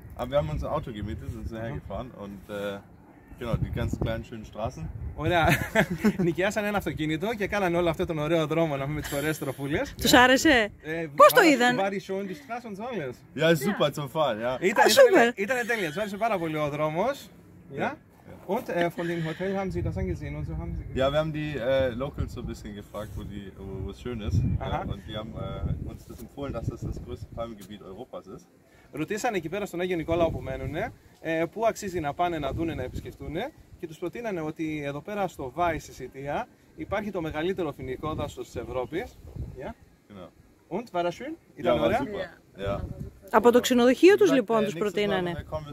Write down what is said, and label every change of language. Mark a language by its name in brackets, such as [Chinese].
[German] Wir haben unser Auto gemietet und sind hergefahren und genau, die ganz kleinen schönen Straßen. [Greek] Ωραία. Νοικιάσαν ένα αυτοκίνητο και κάνανε όλο αυτόν τον ωραίο δρόμο να πούμε τις ωραίες τροφούλες. Τους άρεσε. Πώς το είδαν? Βάρη σου όντι στράς όντς όλες. [German] Ja, super zum Fahren, ja. [Greek] Ήταν τέλεια, τους άρεσε πάρα πολύ ο δρόμος. [German] Ja. Und von dem Hotel haben Sie das angesehen und so haben Sie gesehen. Ja, wir haben die Locals so ein bisschen gefragt, wo die wo es schön ist. Und die haben uns das empfohlen, dass das das größte Palmgebiet Europas ist. [Greek] Ρωτήσανε εκεί πέρα στον Άγιο Νικόλαο που μένουν, πού αξίζει να πάνε να δούνε, να επισκεφτούν και τους προτείνανε ότι εδώ πέρα στο Βάι, στη Σιτία, υπάρχει το μεγαλύτερο φοινικό δάσος της Ευρώπης. Yeah. [German] Und, war das schön? [Greek] Ήταν [German] ja, [Greek] ωραία. Yeah. Yeah. Από το ξενοδοχείο τους λοιπόν τους προτείνανε.